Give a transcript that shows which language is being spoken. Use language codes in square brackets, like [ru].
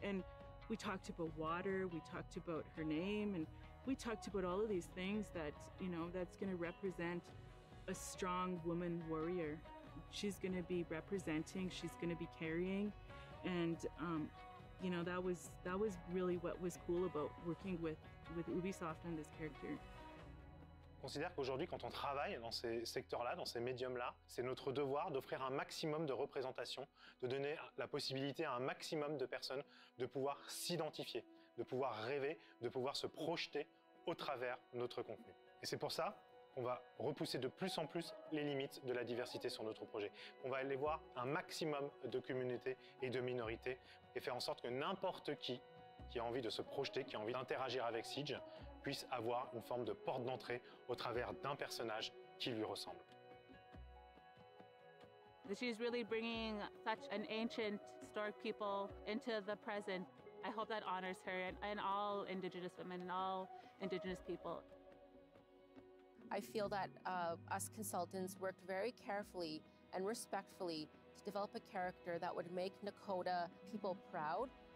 [en] And we talked about water, we talked about her name, and we talked about all of these things that, you know, that's gonna represent a strong woman warrior. She's gonna be representing, she's gonna be carrying, and, you know, that was really what was cool about working with Ubisoft and this character. [fr] Considère qu'aujourd'hui, quand on travaille dans ces secteurs-là, dans ces médiums-là, c'est notre devoir d'offrir un maximum de représentation, de donner la possibilité à un maximum de personnes de pouvoir s'identifier, de pouvoir rêver, de pouvoir se projeter au travers notre contenu. Et c'est pour ça qu'on va repousser de plus en plus les limites de la diversité sur notre projet. On va aller voir un maximum de communautés et de minorités et faire en sorte que n'importe qui a envie de se projeter, qui a envie d'interagir avec Siege, puisse avoir une forme de porte d'entrée au travers d'un personnage qui lui ressemble. [en] She's really bringing such an ancient, historic people into the present. I hope that honors her and all Indigenous women and all Indigenous people. I feel that us consultants worked very carefully and respectfully to develop a character that would make Nakota people proud.